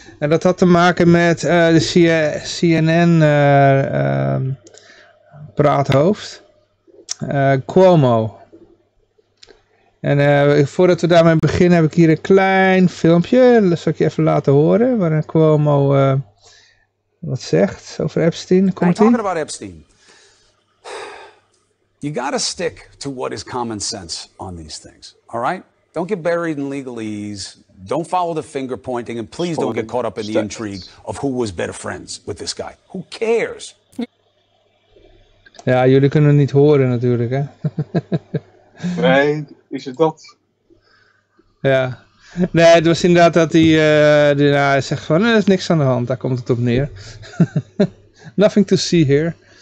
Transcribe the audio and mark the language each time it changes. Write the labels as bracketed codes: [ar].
[nl] En dat had te maken met de CNN-praathoofd, Cuomo. En voordat we daarmee beginnen, heb ik hier een klein filmpje. Dat zal ik je even laten horen, waarin Cuomo wat zegt over Epstein. Komt [en] ie? I'm talking about Epstein. You gotta stick to what is common sense on these things, all right? Don't get buried in legalese. Don't follow the finger pointing. And please don't get caught up in the intrigue of who was better friends with this guy. Who cares? [nl] Ja, jullie kunnen het niet horen natuurlijk, hè? Nee, is het dat? Ja. Nee, het was inderdaad dat hij nou, zegt van, er is niks aan de hand. Daar komt het op neer. [en] Nothing to see here.